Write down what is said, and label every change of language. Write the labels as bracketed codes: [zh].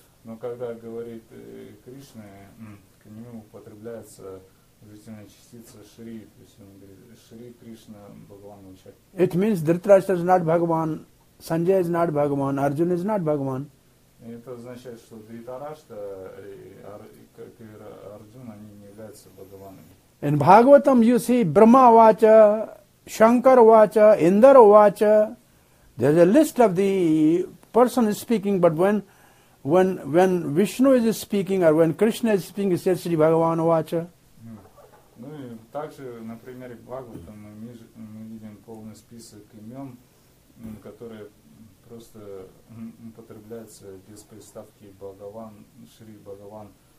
[ru] Но когда говорит Кришна, к нему употребляется жизненная частица Шри. То есть он говорит, Шри Кришна Бхагаван вача. [en] It means Dhritarashtra is not Bhagavan, Sanjaya is not Bhagavan, Arjuna is not Bhagavan. [ru] Это означает, что Дхритарашта и Арджуна они не являются Бхагаванами. [en] In Bhagavatam you see Brahma vacha, Shankara vacha, Indra vacha. There's a list of the person is speaking, but when Vishnu is speaking or when Krishna is speaking, it says Sri Bhagavan vacha. [ru] Ну и также на примере Бхагаватам мы видим полный список имен, которые просто употребляются без приставки Бхагаван, Шри Бхагаван.